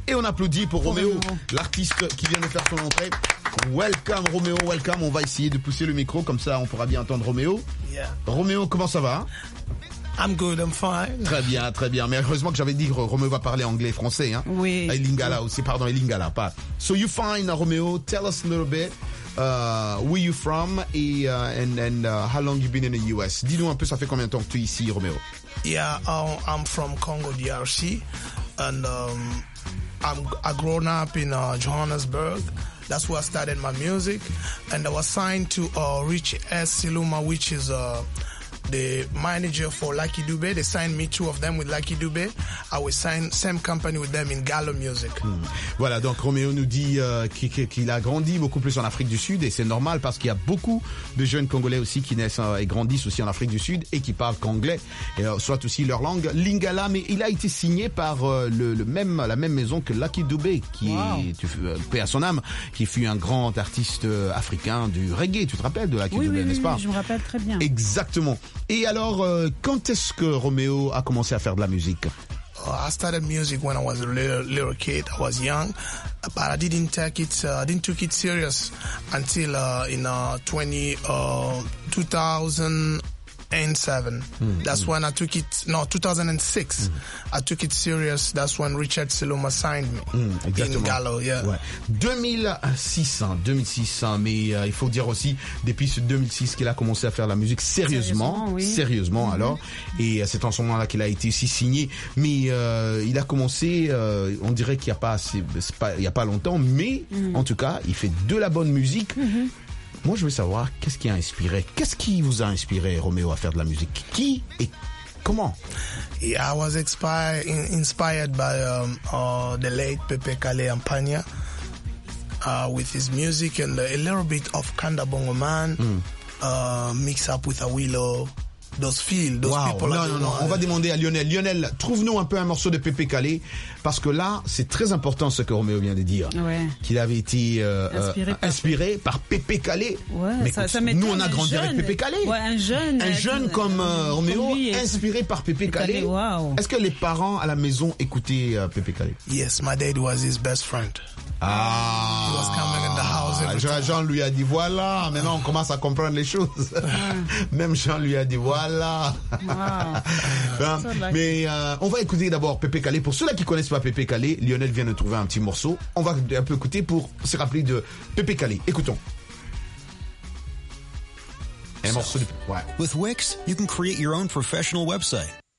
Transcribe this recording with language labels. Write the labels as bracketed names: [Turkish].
[French] Et on applaudit pour Roméo, l'artiste qui vient de faire son entrée. [English] Welcome Roméo, welcome. [French] On va essayer de pousser le micro, comme ça on pourra bien entendre Roméo. Yeah. Roméo, comment ça va? [English] I'm good, I'm fine. [French] Très bien, très bien. Mais heureusement que j'avais dit que Roméo va parler anglais, français, hein. Oui. Lingala aussi, pardon, Lingala, pas. [English] So you fine, Roméo? Tell us a little bit, where you from and how long you been in the US? [French] Dis-nous un peu, ça fait combien de temps que tu es ici, Roméo? [English] Yeah, I'm from Congo, DRC, and I grew up in Johannesburg. That's where I started my music, and I was signed to Rich S. Siluma, which is the manager for Lucky Dubé. They signed me, two of them, with Lucky Dubé. I will sign same company with them in Gallo Music. Mm. [French] Voilà, donc Roméo nous dit qu'il a grandi beaucoup plus en Afrique du Sud, et c'est normal parce qu'il y a beaucoup de jeunes Congolais aussi qui naissent et grandissent aussi en Afrique du Sud et qui parlent qu'anglais, soit aussi leur langue, Lingala. Mais il a été signé par la même maison que Lucky Dubé, qui paix à son âme, qui fut un grand artiste africain du reggae. Tu te rappelles de Lucky Dubé, n'est-ce pas? Oui, je me rappelle très bien. Exactement. Et alors, quand est-ce que Roméo a commencé à faire de la musique? [English] I started music when I was a little kid. I was young, but I didn't take it. I didn't took it serious until in 2007. Mm-hmm. That's when I took it. No, 2006. Mm-hmm. I took it serious. That's when Richard Siluma signed me in Gallo. Yeah. Ouais. 2006. [French] Mais il faut dire aussi depuis ce 2006 qu'il a commencé à faire la musique sérieusement. Oui. Sérieusement. Mm-hmm. Alors, et c'est en ce moment-là qu'il a été aussi signé. Mais il a commencé. On dirait qu'il y a pas assez. Il y a pas longtemps. Mais en tout cas, il fait de la bonne musique. Mm-hmm. Moi, je veux savoir, qu'est-ce qui a inspiré? Qu'est-ce qui vous a inspiré, Roméo, à faire de la musique? Qui et comment? [English] Yeah, I was inspired by the late Pepe Kale Mpanya with his music and a little bit of Kanda Bongo Man mixed up with Awilo. Those feel, those people. [French] On va demander à Lionel. Lionel, trouve-nous un peu un morceau de Pepe Kale, parce que là, c'est très important ce que Roméo vient de dire. Ouais. Qu'il avait été inspiré par Pepe Kale. Ouais, mais nous, on a grandi jeune, avec Pepe Kale. Ouais, un jeune comme Roméo, oui, inspiré par Pepe Kale. Wow. Est-ce que les parents à la maison écoutaient Pepe Kale? [English] Yes, my dad was his best friend. Ah, he was coming in the house every time. [French] Jean lui a dit voilà, maintenant on commence à comprendre les choses. Même Jean lui a dit voilà. Wow. Hein? Mais on va écouter d'abord Pepe Kale. Pour ceux-là qui connaissent pas Pepe Kale, Lionel vient de trouver un petit morceau. On va un peu écouter pour se rappeler de Pepe Kale. Écoutons. Un morceau de Pepe. Ouais. [English] With Wix, you can create your own professional website.